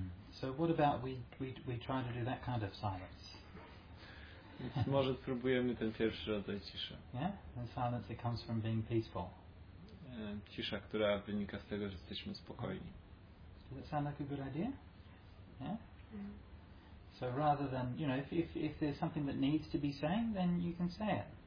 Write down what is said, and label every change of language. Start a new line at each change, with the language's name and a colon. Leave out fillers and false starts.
English: So what about we try to do that kind of silence?
Polish: Więc może spróbujemy ten pierwszy rodzaj ciszy.
English: Yeah? The silence that comes from being peaceful.
Polish: Cisza, która wynika z tego, że jesteśmy spokojni.
English: Does that sound like a good idea? Yeah? So rather than, you know, if there's something that needs to be saying, then you can say it.